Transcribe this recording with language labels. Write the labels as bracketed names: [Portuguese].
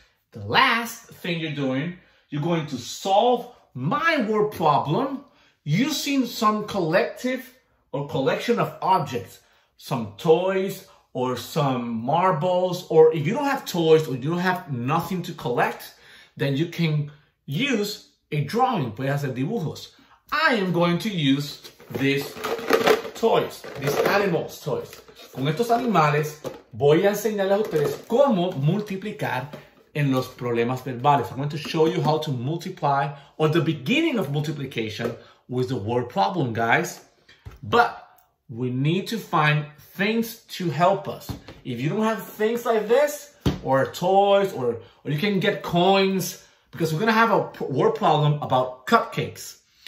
[English] The last thing you're doing, you're going to solve my word problem using some collective or collection of objects, some toys or some marbles, or if you don't have toys or you don't have nothing to collect, then you can use a drawing, [Spanish] puedes hacer dibujos. [English] I am going to use these toys, these animals toys. [Spanish] Con estos animales, voy a enseñarles a ustedes cómo multiplicar en los problemas verbales. [English] I'm going to show you how to multiply, or the beginning of multiplication with the word problem, guys. But we need to find things to help us. If you don't have things like this, or toys, or you can get coins, because we're gonna have a word problem about cupcakes.